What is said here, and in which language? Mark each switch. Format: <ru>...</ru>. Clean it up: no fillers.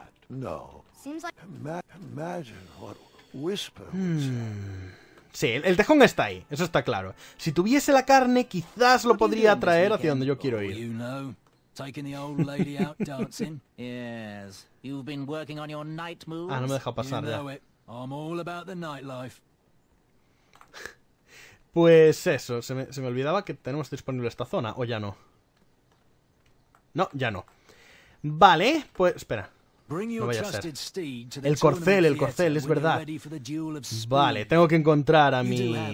<es>No. Sí, el tejón está ahí, eso está claro. Si tuviese la carne, quizás lo podría traer hacia donde yo quiero ir.</es> <en>Taking the old lady out dancing. Yes, you've been working on your night moves.</en> <es>Ah, no me deja pasar</es> <en>you know</en> <es>ya.</es> <en>It. I'm all about the nightlife.</en> <es>Pues eso, se me olvidaba que tenemos disponible esta zona, ¿o ya no? No, ya no. Vale, pues, espera.</es> <en>Bring your trusted steed to the</en> <es>El corcel, es verdad. Vale, tengo que encontrar a mi...</es>